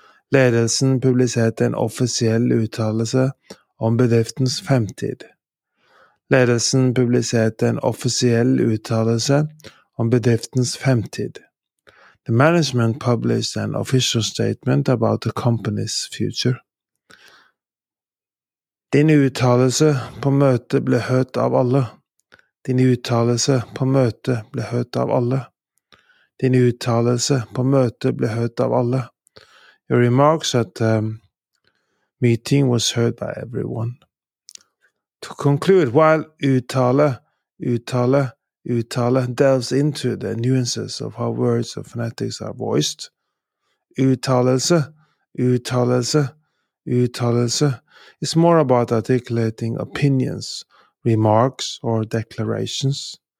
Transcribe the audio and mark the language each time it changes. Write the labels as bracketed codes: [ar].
[no] Ledelsen publiserte en offisiell uttalelse om bedriftens fremtid. Ledelsen publiserte en offisiell uttalelse om bedriftens fremtid. [en] The management published an official statement about the company's future. [no] Din uttalelse på møte ble hørt av alle. Din uttalelse på møte ble hørt av alle. Din uttalelse på møte ble hørt av alle. [en] Your remarks at the meeting was heard by everyone. To conclude, while uttale, uttale, uttale delves into the nuances of how words or phonetics are voiced, uttalelse, uttalelse, uttalelse is more about articulating opinions, remarks, or declarations.